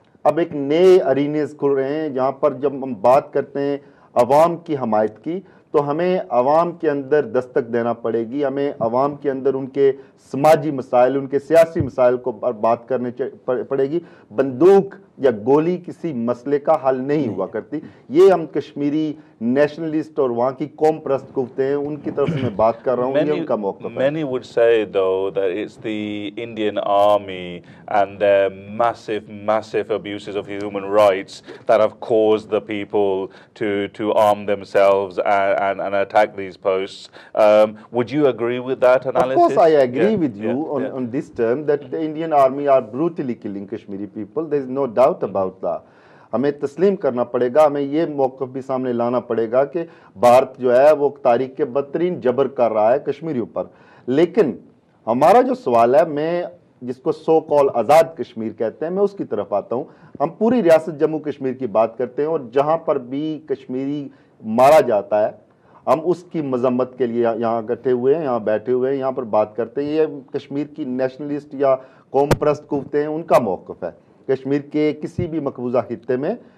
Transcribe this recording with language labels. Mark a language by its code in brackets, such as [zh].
[ur] اب ایک نئے ارینیز کھل رہے ہیں جہاں پر جب ہم بات کرتے ہیں عوام کی حمایت کی، تو ہمیں عوام کے اندر دستک دینا پڑے گی، ہمیں عوام کے اندر ان کے سماجی مسائل، ان کے سیاسی مسائل کو بات کرنے پڑے گی. بندوق یا گولی کسی مسئلے کا حل نہیں ہوا کرتی. یہ ہم کشمیری نیشنلسٹ اور وہاں کی قوم پرست قوتیں ہیں، ان کی طرف سے میں بات کر رہا ہوں، یہ ان کا موقف ہے. [en] Many would say though that it's the Indian army and their massive abuses of human rights that have caused the people to arm themselves and attack these posts. Would you agree with that analysis? Of course I agree with you on this term, that the Indian army are brutally killing Kashmiri people. There is no doubt about that. [ur] ہمیں تسلیم کرنا پڑے گا، ہمیں یہ موقف بھی سامنے لانا پڑے گا کہ بھارت جو ہے وہ تاریخ کے بدترین جبر کر رہا ہے کشمیریوں پر. لیکن ہمارا جو سوال ہے، میں جس کو سو کال آزاد کشمیر کہتے ہیں، میں اس کی طرف آتا ہوں. ہم پوری ریاست جموں کشمیر کی بات کرتے ہیں، اور جہاں پر بھی کشمیری مارا جاتا ہے ہم اس کی مذمت کے لیے یہاں اکٹھے ہوئے ہیں، یہاں بیٹھے ہوئے ہیں، یہاں پر بات کرتے ہیں. یہ کشمیر کی نیشنلسٹ یا قوم پرست قوتیں، ان کا موقف ہے کشمیر کے کسی بھی مقبوضہ خطے میں،